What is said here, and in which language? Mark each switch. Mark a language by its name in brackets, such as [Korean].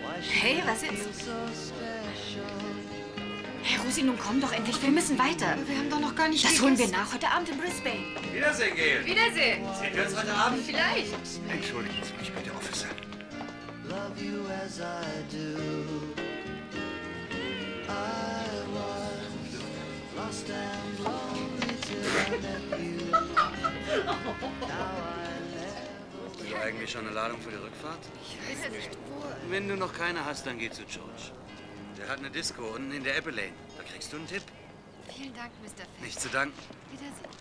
[German] Hey, was ist? Hey, Rosi, nun komm doch endlich. Wir müssen weiter. Wir haben doch noch gar nicht. Das holen wir nach. Heute Abend in Brisbane. Wiedersehen, Gail. Wiedersehen. Sehen wir uns heute Abend? Vielleicht. Entschuldigen Sie mich bitte, Officer. [English] Love you as I do. I was lost and lonely till I met you. Now I left. [German] Hast du eigentlich schon eine Ladung für die Rückfahrt? Ich weiß es nicht, wo. Wenn du noch keine hast, dann geh zu George. Der hat eine Disco unten in der Apple Lane. Da kriegst du einen Tipp. Vielen Dank, Mr. Fett. Nicht zu danken. Wiedersehen.